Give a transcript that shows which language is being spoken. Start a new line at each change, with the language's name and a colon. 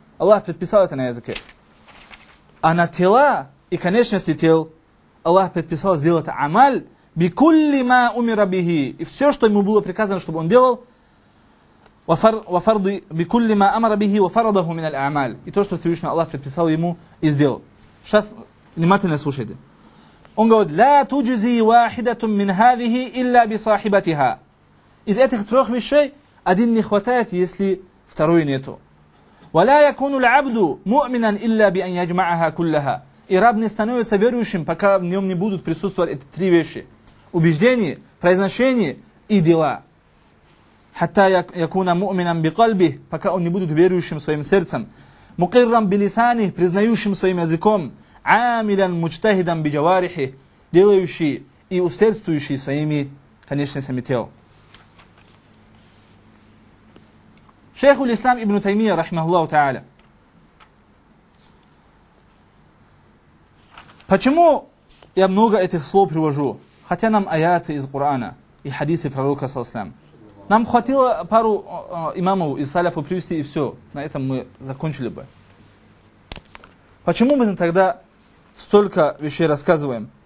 Russian: Аллах предписал это на языке. А на тела и конечности тел Аллах предписал сделать
Arabic: амаль бикулли ма умира бихи.
Russian: И все, что ему было приказано, чтобы он делал,
Arabic: وفرض بكل ما أمر به وفرضه من الأعمال.
Russian: И то, что Всевышний Аллах предписал ему и сделал. Сейчас внимательно слушайте. Он говорит:
Arabic: لا تجزي واحدة من هذه إلا بصاحبتها.
Russian: Из этих трех вещей один не хватает, если второй нету.
Arabic: ولا يكون العبد مؤمنا إلا بأن يجمعها كلها.
Russian: И раб не становится верующим, пока в нем не будут присутствовать эти три вещи: убеждение, произношение и дела.
Arabic: حتى يكون مؤمنا بقلبه
Russian: пока он не будет верующим своим сердцем,
Arabic: مقرا بلسانه
Russian: признающим своим языком,
Arabic: عاملا مجتهدا بجوارحه
Russian: делающий и усердствующий своими конечностями тел.
Arabic: شيخ الإسلام ابن تيمية رحمه الله تعالى.
Russian: Почему я много этих слов привожу, хотя нам аяты из Корана и хадисы пророка саллаллаху алейхи ва саллям. Нам хватило пару имамов и саляфу привести, и все. На этом мы закончили бы. Почему мы тогда столько вещей рассказываем?